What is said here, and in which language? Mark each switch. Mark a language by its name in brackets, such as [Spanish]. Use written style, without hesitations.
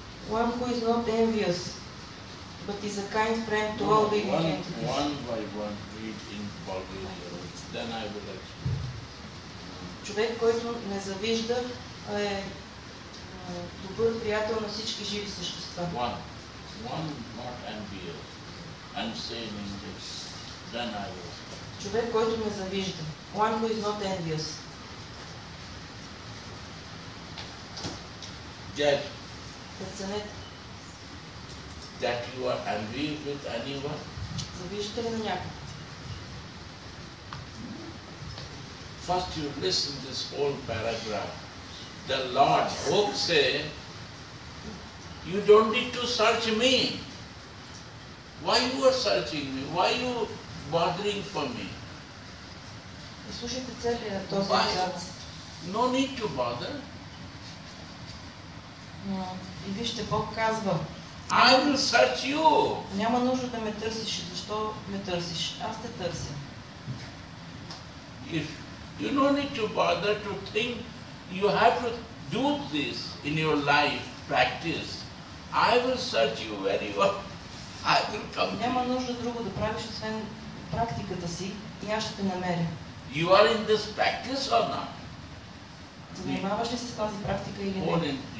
[English] One who is not envious, but is a kind friend to all living entities. One by one, read in Bulgarian. Then I will explain. [Bulgarian] Човек, който не завижда, е добър приятел на всички живи същества. [English] One, not envious. I'm saying in English. Then I will. [Bulgarian] Човек, който ме завижда. [English] One who is not envious. Judge. [Bulgarian] Преценете. [English] That you are envious with anyone. [Bulgarian] Завиждате ли на някого? [English] First you listen this whole paragraph. The Lord Hope say, you don't need to search me. Why you are searching me? Why you bothering for me? [Bulgarian] Слушайте целия на този абзац. [English] No need to bother. [Bulgarian] No. И вижте, Бог казва, [English] I will search you. [Bulgarian] Няма нужда да ме търсиш. Защо ме търсиш? Аз те търся. [English] If you no need to bother to think, you have to do this in your life, practice. I will search you very well. I will come. [Bulgarian] Няма нужда друго да правиш, освен практиката си, и аз ще те намеря. [English] You are in this practice or not? [Bulgarian] Занимаваш ли се с тази практика или не?